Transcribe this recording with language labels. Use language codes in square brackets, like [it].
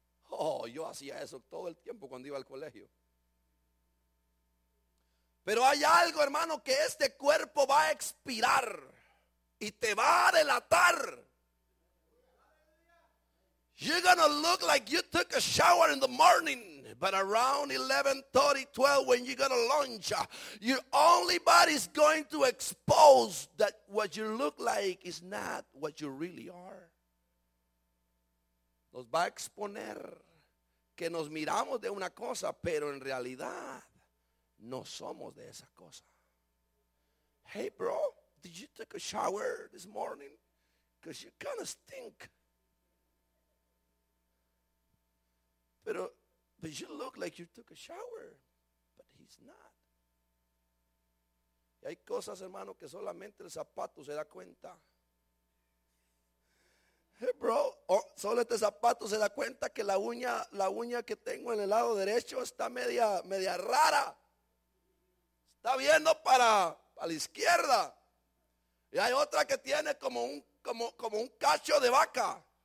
[es] Oh, yo hacía eso todo el tiempo cuando iba al colegio. Pero hay algo, hermano, que este cuerpo va a expirar y te va a delatar. [en] You're gonna look like you took a shower in the morning, but around 11:30, 12, when you're gonna lunch, your only body's going to expose that what you look like is not what you really are. [es] Nos va a exponer que nos miramos de una cosa, pero en realidad no somos de esa cosa. [en] Hey, bro, did you take a shower this morning? Because you kind of stink. But you look like you took a shower, but he's not. [es] Y hay cosas, hermano, que solamente el zapato se da cuenta. [en] Hey, bro, [es] oh, solo este zapato se da cuenta que la uña que tengo en el lado derecho está media rara. Está viendo para la izquierda. Y hay otra que tiene como un cacho de vaca.